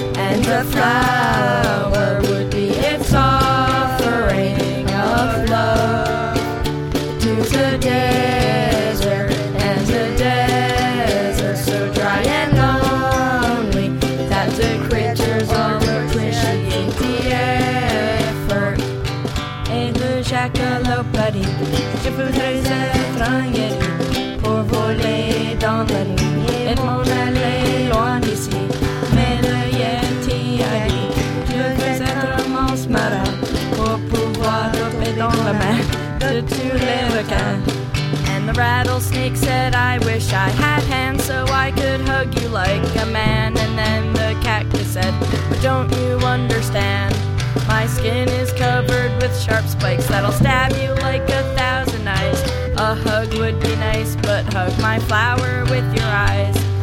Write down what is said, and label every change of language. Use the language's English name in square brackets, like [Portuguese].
[English] And the flower would be its offering of love to the desert, and the desert so dry and lonely that the creatures all appreciate the effort. [French] Et le jackalope a dit, je voudrais être un yeti pour voler dans la nuit et m'en aller loin d'ici. Mais le yeti a dit, je veux être un monstre marin pour pouvoir tomber dans la mer de tous les requins. [English] And the rattlesnake said, I wish I had hands so I could hug you like a man. And then the cactus said, but don't you understand? My skin is covered with sharp spikes that'll stab you like a thousand knives. A hug would be nice, but hug my flower with your eyes.